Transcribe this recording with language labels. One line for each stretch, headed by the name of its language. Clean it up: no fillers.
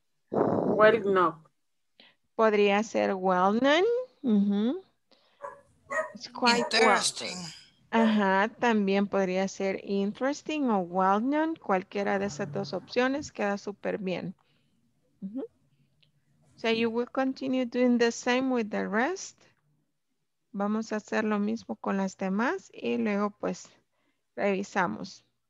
English: Well, no.
Spanish: Podría ser
English: well known. Uh-huh. It's quite interesting.
Spanish: Ajá, también podría ser interesting o well known. Cualquiera de esas dos opciones queda súper bien. Uh-huh.
English: So you will continue doing the same with the rest.
Spanish: Vamos a hacer lo mismo con las demás y luego pues revisamos.